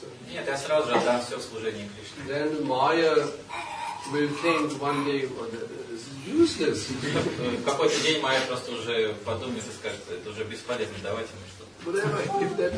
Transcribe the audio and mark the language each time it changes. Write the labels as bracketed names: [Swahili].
[Russian] Нет, я сразу же отдам все в служении Кришне. [English] Then Maya will think one day, well, this is useless. [Russian] В какой-то день Maya просто уже подумает и скажет, это уже бесполезно, давайте мы что-то.